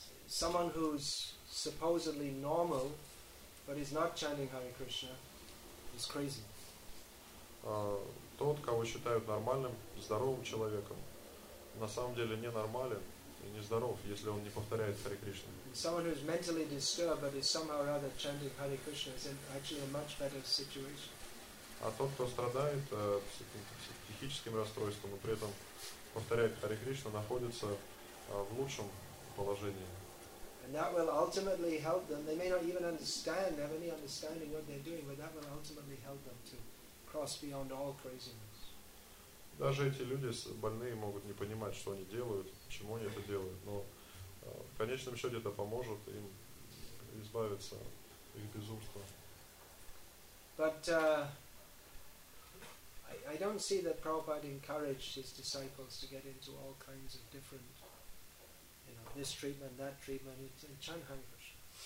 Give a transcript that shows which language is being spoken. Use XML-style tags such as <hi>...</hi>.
<en>Someone who's supposedly normal, but is not chanting Hare Krishna, is crazy.</en> <ru>Тот, кого считают нормальным, здоровым человеком, на самом деле ненормален и нездоров, если он не повторяет Харе Кришну.</ru> <en>Someone who is mentally disturbed but is somehow or other chanting Hare Krishna is actually a much better situation.</en> <ru>А тот, кто страдает психическим расстройством и при этом повторяет Харе Кришну, находится в лучшем положении.</ru> <en>And that will ultimately help them. They may not even understand, have any understanding what they're doing, but that will ultimately help them to cross beyond all craziness.</en> <ru>Даже эти люди больные могут не понимать, что они делают, почему они это делают, но в конечном счете это поможет им избавиться от их безумства.</ru> <en>But I don't see that Prabhupada encouraged his disciples to get into all kinds of different, you know, this treatment, that treatment, in Chanhangrish.</en>